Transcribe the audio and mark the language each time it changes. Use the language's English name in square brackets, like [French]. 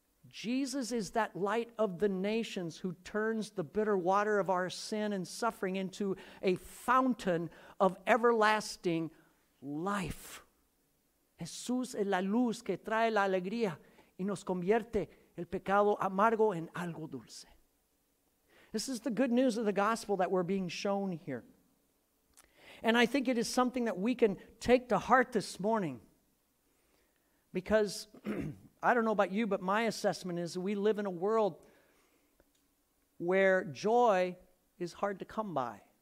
[English] Jesus is that light of the nations who turns the bitter water of our sin and suffering into a fountain of everlasting life. [Spanish] Jesús es la luz que trae la alegría y nos convierte el pecado amargo en algo dulce. [English] This is the good news of the gospel that we're being shown here. And I think it is something that we can take to heart this morning. Because I don't know about you, but my assessment is we live in a world where joy is hard to come by.